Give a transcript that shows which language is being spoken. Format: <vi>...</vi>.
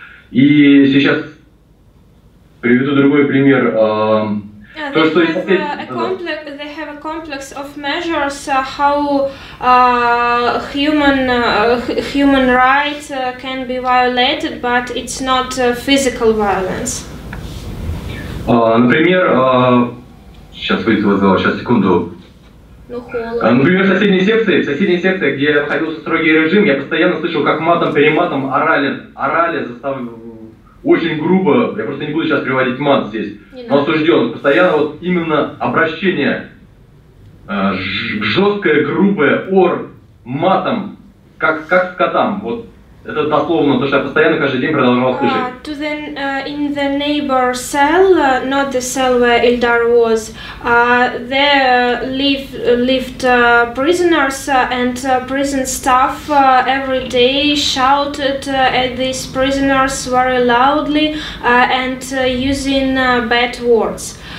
<ru>И сейчас приведу другой пример.</ru> <en>They have a complex of measures how human rights can be violated, but it's not physical violence.</en> <ru>Например, сейчас выйду вызвал, сейчас секунду. Например, в соседней секции, где я входил в строгий режим, я постоянно слышал, как матом-перематом орали, заставили. Очень грубо, я просто не буду сейчас приводить мат здесь, но осужден. Постоянно вот именно обращение, жесткое, грубое, ор, матом, как скотам. Вот это дословно то, что я постоянно каждый день продолжал слышать.</ru> <en>In the neighbor cell, not the cell where Ildar was, there lived prisoners and prison staff every day shouted at these prisoners very loudly and using bad words,</en>